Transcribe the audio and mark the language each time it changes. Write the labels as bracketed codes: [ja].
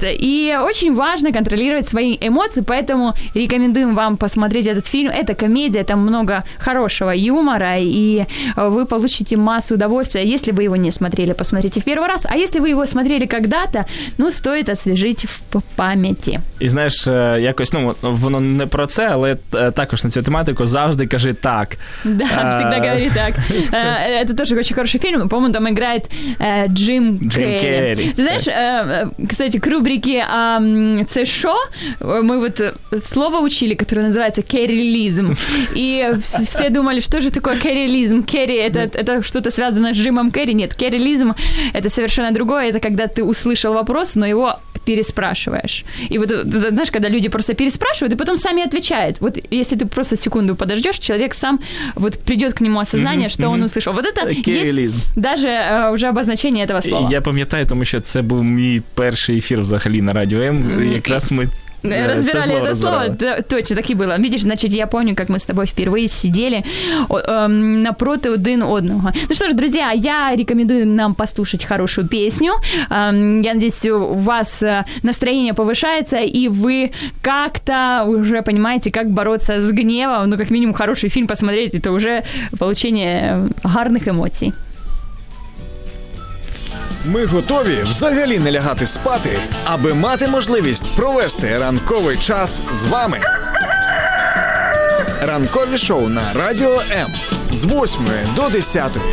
[ru] И очень важно контролировать свои эмоции, поэтому рекомендуем вам посмотреть этот фильм. Это комедия, там много хорошего юмора, и вы получите массу удовольствия. Если вы его не смотрели, посмотрите в первый раз. А если вы его смотрели когда-то, ну, стоит освежить в памяти. [uk] И знаешь, якось, ну, воно не про це, але також на цю тематику завжди кажи так. Да, завжди кажи так. Це теж дуже хороший фільм. По-моєму, там грає Джим Керрі. Знаєш, [ru] кстати, к рубрике «Це шо?» ми вот слово учили, которое называется «керрілізм». [uk] І всі думали, що ж таке керрілізм? Керрі – це щось связано з Джимом Керрі? Ні, керрілізм – це [ru] совершенно другое. [uk] Це коли ти [ru] услышал вопрос, но його переспрашиваешь. И вот, знаешь, когда люди просто переспрашивают, и потом сами отвечают. Вот если ты просто секунду подождешь, человек сам вот придет к нему осознание, что он услышал. Вот это керрилизм. Есть даже уже обозначение этого слова. Я помню, потому что это был мой первый эфир взагалі на Радио М. Как раз мы разбирали это слово. Точно, так и было. Видишь, значит, я помню, как мы с тобой впервые сидели напротив один одного. Ну что ж, друзья, я рекомендую нам послушать хорошую песню. Я надеюсь, у вас настроение повышается, и вы как-то уже понимаете, как бороться с гневом. Ну, как минимум, хороший фильм посмотреть – это уже получение гарных эмоций. [uk] Ми готові взагалі не лягати спати, аби мати можливість провести ранковий час з вами. Ранкові шоу на Радіо М з 8 до 10.